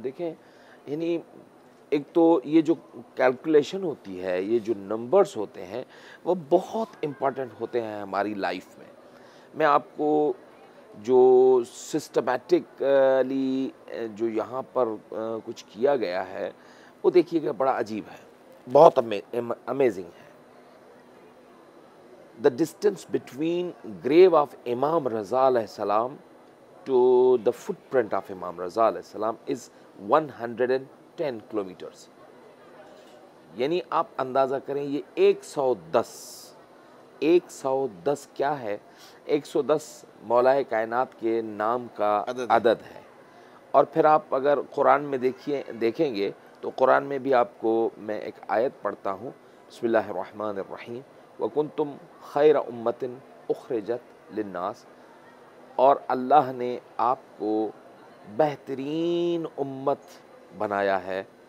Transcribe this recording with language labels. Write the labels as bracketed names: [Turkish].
[Urdu] دیکھیں, یعنی ایک تو یہ جو کیلکولیشن ہوتی ہے, یہ جو نمبرز ہوتے ہیں وہ بہت امپورٹنٹ ہوتے ہیں ہماری لائف میں. میں آپ کو جو سسٹمیٹکلی جو یہاں پر کچھ کیا گیا ہے وہ دیکھیے گا, بڑا عجیب ہے, بہت امیزنگ ہے. [English] The distance between grave of Imam Raza alayhi salam to the footprint of Imam Raza alayhi salam is 110 kilometers. [Urdu] یعنی آپ اندازہ کریں یہ 110 کیا ہے, 110 مولا کائنات کے نام کا عدد ہے. اور پھر آپ اگر قرآن میں دیکھیں گے تو قرآن میں بھی آپ کو میں ایک آیت پڑھتا ہوں, بسم اللہ الرحمن الرحیم, [Arabic] وَكُنْتُمْ خَيْرَ أُمَّتٍ أُخْرِجَتْ لِلنَّاسِ, [Urdu] اور اللہ نے آپ کو بہترین امت بنایا ہے